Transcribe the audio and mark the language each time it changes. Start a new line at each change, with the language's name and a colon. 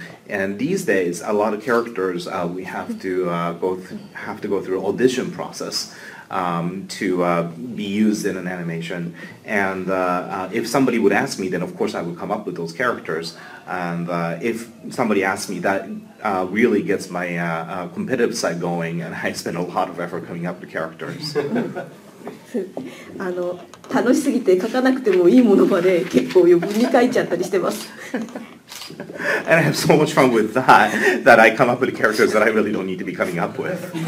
English: And these days, a lot of characters we have to go through audition process to be used in an animation. And if somebody would ask me, then of course I would come up with those characters. And if somebody asks me, that really gets my competitive side going, and I spend a lot of effort coming up with characters.
Japanese: 楽しすぎて描かなくてもいいものまで結構余分に描いちゃったりしてます。
English: And I have so much fun with that I come up with characters that I really don't need to be coming up with.